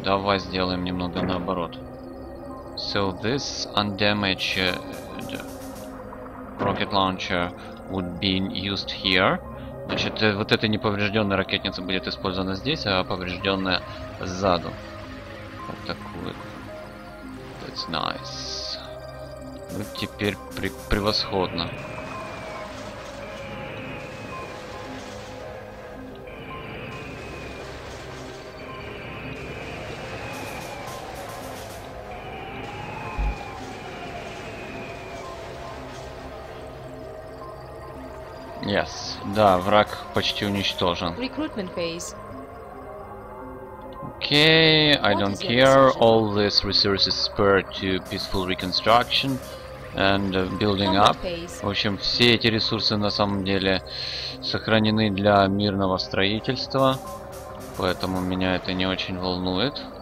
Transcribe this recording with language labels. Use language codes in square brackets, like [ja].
[ru] Давай сделаем немного наоборот. [en] So this undamaged rocket launcher would be used here. [ru] Значит, вот эта неповрежденная ракетница будет использована здесь, а поврежденная сзаду. Вот такую. [en] That's nice. [ru] Ну, теперь превосходно. [en] Yes. [ru] Да, враг почти уничтожен. [en] Recruitment phase. Okay, I don't care. All these resources spare to peaceful reconstruction and building up. [ru] В общем, все эти ресурсы на самом деле сохранены для мирного строительства, поэтому меня это не очень волнует.